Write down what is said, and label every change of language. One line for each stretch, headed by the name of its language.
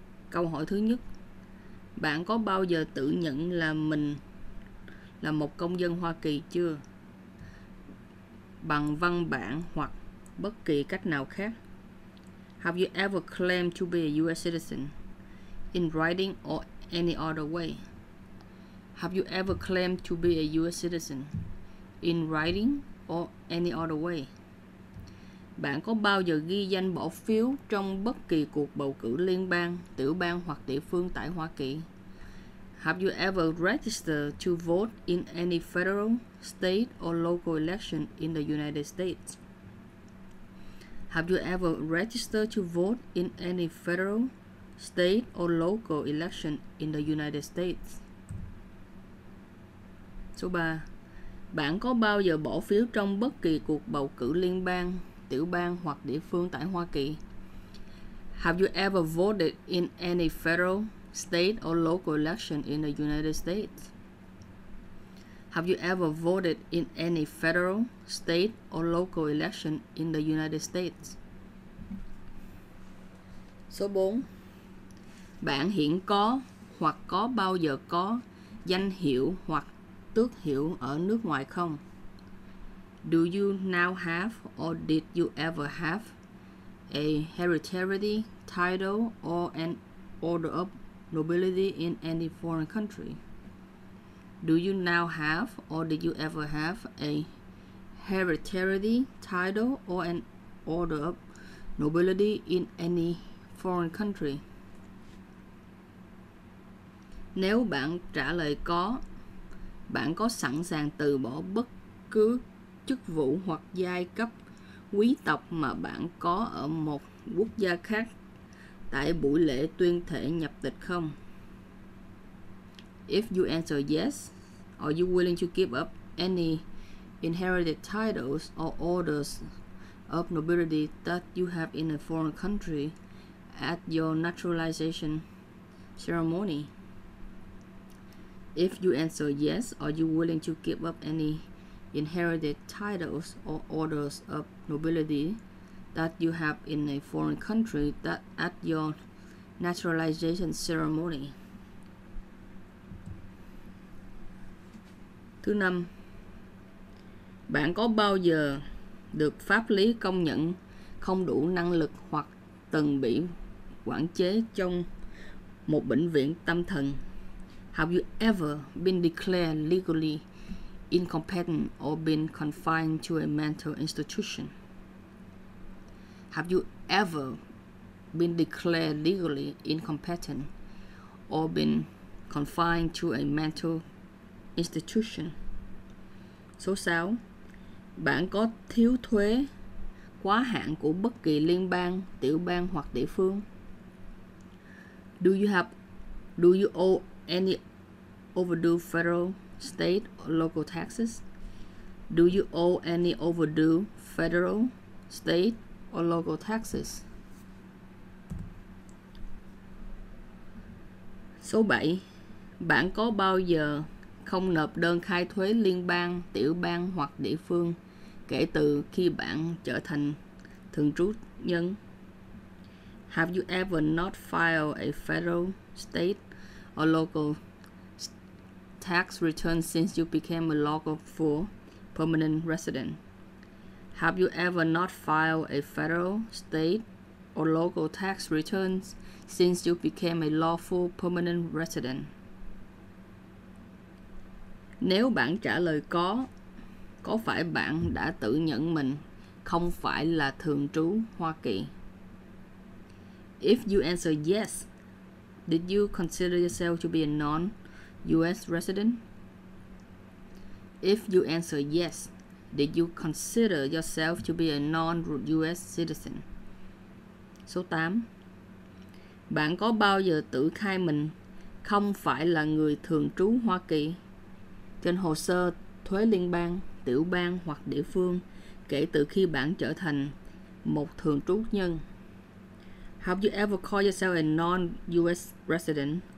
Vietnamese: Câu hỏi thứ nhất. Bạn có bao giờ tự nhận là mình là một công dân Hoa Kỳ chưa? Bằng văn bản hoặc bất kỳ cách nào khác.
English: Have you ever claimed to be a US citizen? In writing or any other way? Have you ever claimed to be a US citizen? In writing or any other way?
Vietnamese: Bạn có bao giờ ghi danh bỏ phiếu trong bất kỳ cuộc bầu cử liên bang, tiểu bang hoặc địa phương tại Hoa Kỳ?
English: Have you ever registered to vote in any federal, state or local election in the United States? Have you ever registered to vote in any federal, state or local election in the United States?
Vietnamese: Số 3. Bạn có bao giờ bỏ phiếu trong bất kỳ cuộc bầu cử liên bang, tiểu bang hoặc địa phương tại Hoa Kỳ?
English: Have you ever voted in any federal, state or local election in the United States? Have you ever voted in any federal, state or local election in the United States?
Vietnamese: Số 4. Bạn hiện có hoặc có bao giờ có danh hiệu hoặc tước hiệu ở nước ngoài không?
English: Do you now have or did you ever have a hereditary title or an order of nobility in any foreign country? Do you now have or did you ever have a hereditary title or an order of nobility in any foreign country?
Vietnamese: Nếu bạn trả lời có, bạn có sẵn sàng từ bỏ bất cứ chức vụ hoặc giai cấp quý tộc mà bạn có ở một quốc gia khác tại buổi lễ tuyên thệ nhập tịch không?
English: If you answer yes, are you willing to give up any inherited titles or orders of nobility that you have in a foreign country at your naturalization ceremony? If you answer yes, are you willing to give up any inherited titles or orders of nobility that you have in a foreign country that at your naturalization ceremony?
Vietnamese: Thứ năm, bạn có bao giờ được pháp lý công nhận không đủ năng lực hoặc từng bị quản chế trong một bệnh viện tâm thần?
English: Have you ever been declared legally incompetent or been confined to a mental institution? Have you ever been declared legally incompetent or been confined to a mental institution?
Vietnamese: Số 6. Bạn có thiếu thuế quá hạn của bất kỳ liên bang, tiểu bang hoặc địa phương?
English: Do you owe any overdue federal, state or local taxes? Do you owe any overdue federal, state or local taxes?
Vietnamese: Số 7. Bạn có bao giờ không nộp đơn khai thuế liên bang, tiểu bang hoặc địa phương kể từ khi bạn trở thành thường trú nhân?
English: Have you ever not filed a federal, state or local tax return since you became a lawful permanent resident? Have you ever not filed a federal, state or local tax returns since you became a lawful permanent resident?
Vietnamese: Nếu bạn trả lời có phải bạn đã tự nhận mình không phải là thường trú Hoa Kỳ?
English: If you answer yes, did you consider yourself to be a non-US resident? If you answer yes, did you consider yourself to be a non-US citizen?
Vietnamese: Số 8. Bạn có bao giờ tự khai mình không phải là người thường trú Hoa Kỳ trên hồ sơ thuế liên bang, tiểu bang hoặc địa phương kể từ khi bạn trở thành một thường trú nhân?
English: Have you ever called yourself a non-US resident